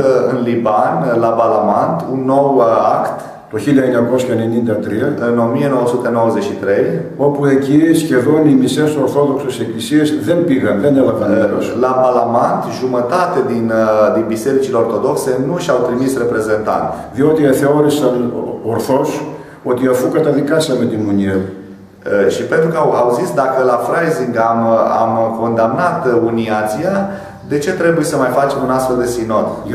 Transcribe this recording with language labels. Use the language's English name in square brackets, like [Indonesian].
[Romanian] în Liban, la Balaman, un nou act. [Greek] Το 1993, [Romanian] în 1993, [Greek] όπου εκεί σχεδόν οι μισές Ορθόδοξες Εκκλησίες δεν πήγαν, δεν έλαβαν μέρος. [Romanian] La Balamant, jumătate din bisericile ortodoxe nu și-au trimis reprezentant. [Greek] Διότι θεώρησαν ορθώς ότι αφού καταδικάσαμε την ουνία. [Romanian] Și pentru că au zis, dacă la Freising am condamnat uniația, de ce trebuie să mai facem un astfel de sinod?